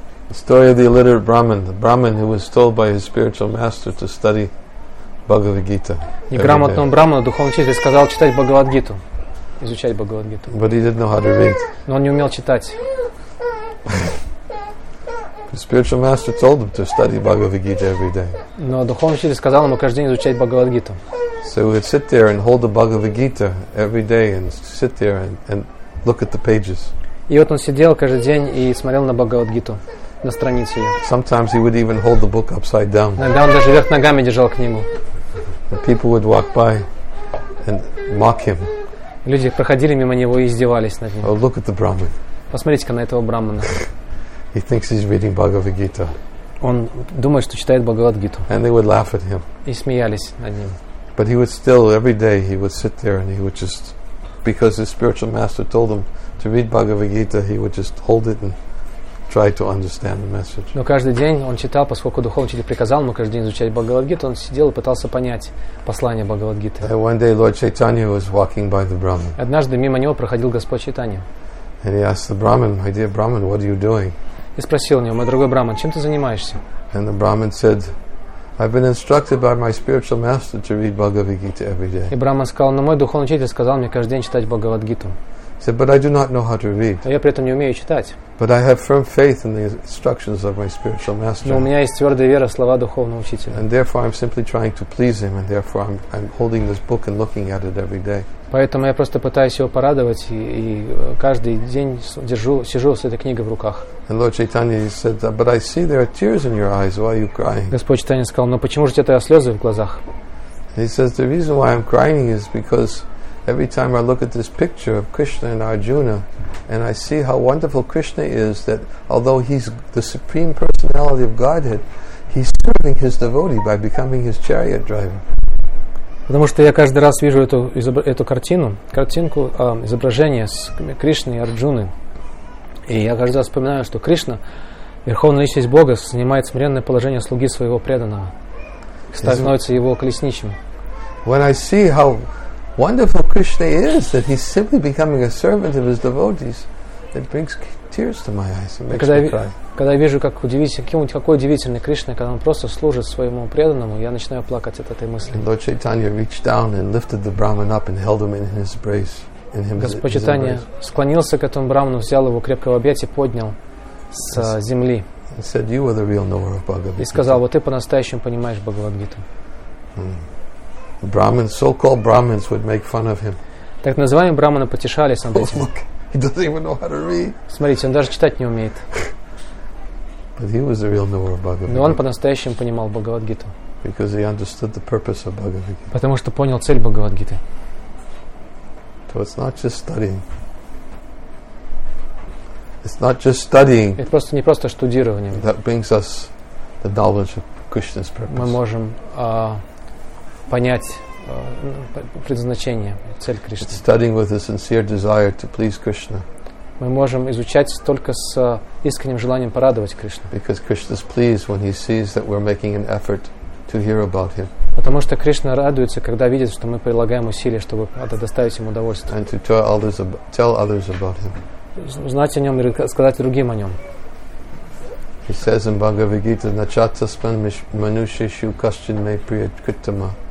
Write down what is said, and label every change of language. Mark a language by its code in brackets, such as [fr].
[en] The story of the illiterate Brahmin, the Brahmin who was told by his spiritual master to study Bhagavad Gita. [ru] Неграмотному брахману духовный учитель сказал читать Бхагавад Гиту, изучать Бхагавад Гиту. [en] But he didn't know how to read. [ru] Но он не умел читать. [en] The spiritual master told him to study Bhagavad Gita every day. [ru] Но духовный учитель сказал ему каждый день изучать Бхагавад Гиту. [en] So he would sit there and hold the Bhagavad Gita every day and sit there and look at the pages. [ru] И вот он сидел каждый день и смотрел на Бхагавад Гиту, на страницу ее. [en] Sometimes he would even hold the book upside down. [ru] Иногда он даже вверх ногами держал книгу. [en] And people would walk by and mock him. [ru] Люди проходили мимо него и издевались над ним. [en] Oh, look at the Brahmin. [ru] Посмотрите-ка на этого брахмана. [en] He thinks he's reading Bhagavad Gita. [ru] Он думает, что читает Бхагавад Гиту. [en] And they would laugh at him. [ru] И смеялись над ним. [en] But he would still every day he would sit there and he would just because his spiritual master told him to read Bhagavad Gita, he would just hold it and try to understand the message. [ru] Но каждый день он читал, поскольку духовный учитель приказал ему каждый день изучать Бхагавад Гиту, он сидел и пытался понять послание Бхагавад Гиты. [en] One day Lord Chaitanya was walking by the Brahmin. [ru] Однажды мимо него проходил Господь Чайтанья. [en] And he asked the Brahmin, my dear Brahmin, what are you doing? [ru] И спросил у него, мой дорогой брахман, чем ты занимаешься? [en] And the Brahmin said, I've been instructed by my spiritual master to read Bhagavad Gita every day. [ru] И брахман сказал, но мой духовный учитель сказал мне каждый день читать Бхагавад Гиту. [en] He said, but I do not know how to read. [ru] Но я при этом не умею читать. [en] But I have firm faith in the instructions of my spiritual master. [ru] Но у меня есть твердая вера в слова духовного учителя. [en] And therefore I'm simply trying to please him, and therefore I'm holding this book and looking at it every day. [ru] Поэтому я просто пытаюсь его порадовать и каждый день сижу с этой книгой в руках. [en] And Lord Chaitanya said, but I see there are tears in your eyes. Why are you crying? [ru] Господь Чайтанья сказал, но почему же у тебя слезы в глазах? [en] And he says, the reason why I'm crying is because every time I look at this picture of Krishna and Arjuna, and I see how wonderful Krishna is, that although he's the supreme personality of Godhead, he's serving his devotee by becoming his chariot driver. [ru] Потому что я каждый раз вижу эту картинку, изображение с Кришной и Арджуны. И я каждый раз вспоминаю, что Кришна, Верховная Личность Бога, занимает смиренное положение слуги своего преданного. Становится его колесничим. [en] When I see how wonderful Krishna is, that he's simply becoming a servant of his devotees, it brings tears to my eyes and makes me cry. [ru] Когда я вижу, какой удивительный Кришна, когда он просто служит своему преданному, я начинаю плакать от этой мысли. [en] Lord Chaitanya reached down and lifted the Brahmin up and held him in his embrace. [ru] Господь Чайтанья склонился к этому брахману, взял его крепко в объятия, поднял с земли. [en] He said, "You are the real knower of Bhagavad Gita." [ru] И сказал, вот ты по-настоящему понимаешь Бхагавад Гиту. [en] Brahmins, so-called Brahmins, would make fun of him. [ru] Так называемые брахманы потешались над этим. [en] Look, he doesn't even know how to read. [ru] Смотрите, он даже читать не умеет. [en] But he was the real knower of Bhagavad Gita. [ru] Но он по-настоящему понимал Бхагавад Гиту. [en] Because he understood the purpose of Bhagavad Gita. [ru] Потому что понял цель Бхагавад Гиты. [en] So it's not just studying. It's not just studying. [ru] Это просто не просто штудирование. [en] That brings us the knowledge of Krishna's purpose. [ru] Мы можем понять предназначение, цель Кришны. [en] It's studying with a sincere desire to please Krishna. [ru] Мы можем изучать только с искренним желанием порадовать Кришну. [en] Because Krishna is pleased when he sees that we're making an effort to hear about him. [ru] Потому что Кришна радуется, когда видит, что мы прилагаем усилия, чтобы доставить ему удовольствие. [en] And to tell others about him. [ru] Знать о нем и рассказать другим о нем. [en] He says in Bhagavad Gita, [sa] Nachatasman manusheshu kaschin me priyakritama.